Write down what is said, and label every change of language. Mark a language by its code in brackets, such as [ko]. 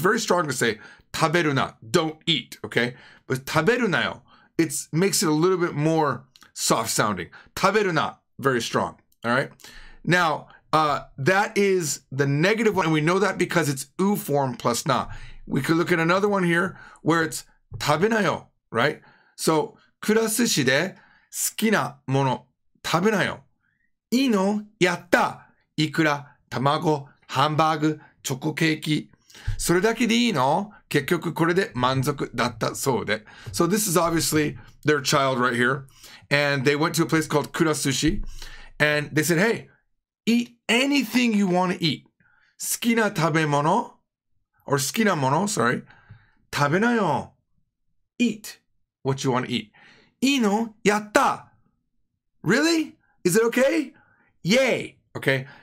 [en] It's very strong to say, 食べるな, don't eat, okay? But 食べるなよ, it makes it a little bit more soft sounding. 食べるな, very strong, all right? Now, that is the negative one, and we know that because it's う form plus な. We could look at another one here where it's 食べなよ, right? [ja] So, くら寿司で好きなもの食べなよ。いいの?やった! いくら、卵、ハンバーグ、チョコケーキ。それだけでいいの?結局これで満足だったそうで。 [en] So this is obviously their child right here. And they went to a place called Kura Sushi. And they said, hey, eat anything you want to eat. [ja] 好きな食べ物?Or 好きなもの?Sorry. 食べなよ。 [en] Eat what you want to eat. [ja] いいの?やった! [en] Really? Is it okay? Yay! Okay.